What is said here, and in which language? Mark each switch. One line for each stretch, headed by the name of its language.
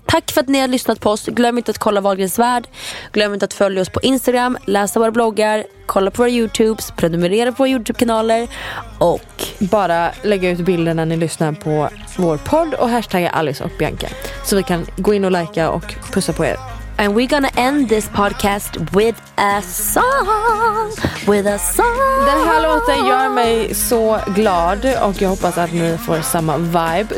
Swedish: Tack för att ni har lyssnat på oss. Glöm inte att kolla Wahlgrens värld. Glöm inte att följa oss på Instagram. Läsa våra bloggar. Kolla på våra YouTubes. Prenumerera på våra YouTube-kanaler. Och bara lägga ut bilder när ni lyssnar på vår podd. Och hashtagga Alice och Bianca. Så vi kan gå in och likea och pussa på er.
English: And we're gonna end this podcast with a song. With a song.
Swedish: Den här låten gör mig så glad. Och jag hoppas att ni får samma vibe.